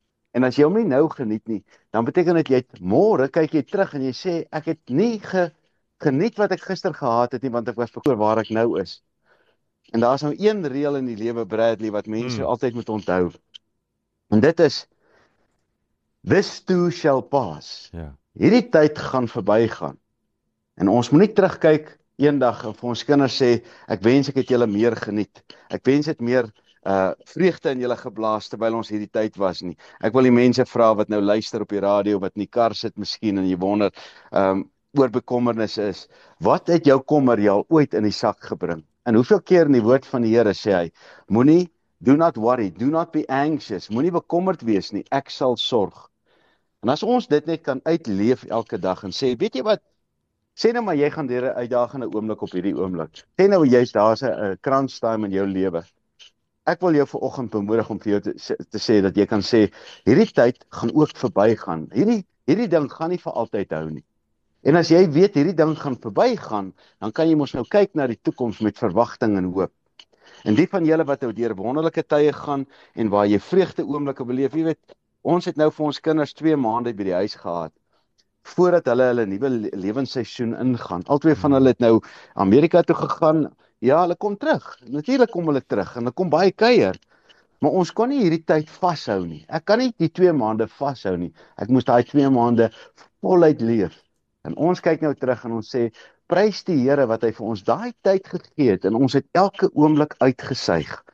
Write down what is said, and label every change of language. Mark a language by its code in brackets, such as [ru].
[af] En as jy hom nie nou geniet nie, dan beteken dit jy môre kyk jy terug en jy sê ek het nie geniet wat ek gister gehad het nie, want ek was verkoor waar ek nou is. En daar's nou een reël in die lewe, Bradley, wat mense altyd moet onthou. En dit is: [en] this too shall pass. [af] Ja. Hierdie tyd gaan verbygaan. En ons moet nie terugkyk eendag en vir ons kinders sê ek wens ek het julle meer geniet. Ek wens dit meer vreugde in julle geblaas terwyl ons hierdie tyd was nie. Ek wil die mense vra wat nou luister op die radio, wat in die kar sit miskien en jy wonder oor bekommernis is. Wat het jou kommer jou ooit in die sak gebring? En hoeveel keer in die woord van die Here sê hy: moenie, [en] do not worry, do not be anxious, [af] moenie bekommerd wees nie, ek sal sorg. En as ons dit net kan uitleef elke dag en sê, weet jy wat, sê nou maar jy gaan deur 'n uitdagende oomblik op hierdie oomblik. Sê nou jy's daar's 'n kranstime in jou lewe. Ek wil jou vanoggend bemoedig om vir jou te sê dat jy kan sê, hierdie tyd gaan ook verbygaan. Hierdie ding gaan nie vir altyd hou nie. En as jy weet hierdie ding gaan verbygaan, dan kan jy mos nou kyk na die toekoms met verwagting en hoop. En die van julle wat nou deur wonderlike tye gaan en waar jy vreugde oomblikke beleef, jy weet, ons het nou vir ons kinders 2 maande by die huis gehad voordat hulle nuwe lewensseisoen ingaan. Altwee van hulle het nou Amerika toe gegaan. Ja, hulle kom terug. Natuurlik kom hulle terug en hulle kom baie kuier. Maar ons kan nie hierdie tyd vashou nie. Ek kan nie die 2 maande vashou nie. Ek moes daai 2 maande voluit leef. En ons kyk nou terug en ons sê, prys die Here wat hy vir ons daai tyd gegee het en ons het elke oomblik uitgesuig.